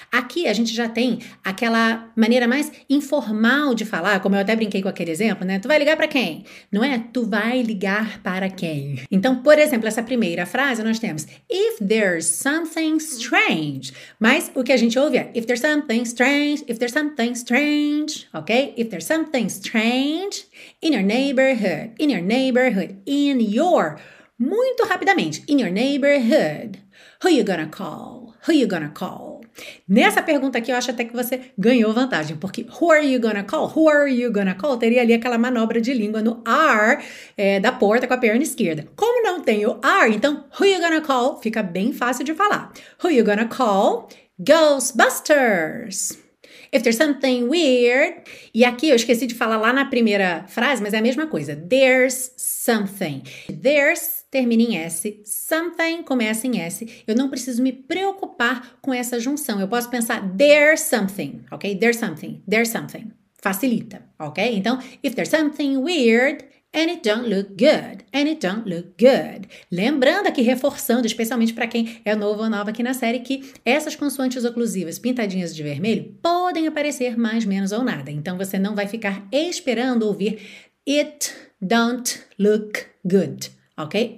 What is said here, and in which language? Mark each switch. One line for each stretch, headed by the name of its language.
Portuguese: Aqui a gente já tem aquela maneira mais informal de falar, como eu até brinquei com aquele exemplo, né? Tu vai ligar para quem? Não é? Tu vai ligar para quem? Então, por exemplo, essa primeira frase nós temos
English: if there's something strange.
Portuguese: Mas o que a gente ouve é
English: if there's something strange,
Portuguese: if there's something strange, ok?
English: If there's something strange in your neighborhood, in your...
Portuguese: Muito rapidamente,
English: in your neighborhood, who you gonna call? Who you gonna call?
Portuguese: Nessa pergunta aqui, eu acho até que você ganhou vantagem, porque
English: who are you gonna call? Who are you gonna call?
Portuguese: Teria ali aquela manobra de língua no R da porta com a perna esquerda. Como não tem o R, então
English: who you gonna call
Portuguese: fica bem fácil de falar.
English: Who you gonna call? Ghostbusters. If there's something weird,
Portuguese: e aqui eu esqueci de falar lá na primeira frase, mas é a mesma coisa,
English: there's something.
Portuguese: There's termina em S, something começa em S. Eu não preciso me preocupar com essa junção, eu posso pensar
English: there's something,
Portuguese: ok?
English: There's something, there's something.
Portuguese: Facilita, ok? Então,
English: if there's something weird, and it don't look good, and it don't look good.
Portuguese: Lembrando aqui, reforçando, especialmente para quem é novo ou nova aqui na série, que essas consoantes oclusivas pintadinhas de vermelho podem aparecer mais, menos ou nada. Então, você não vai ficar esperando ouvir
English: it don't look good,
Portuguese: ok?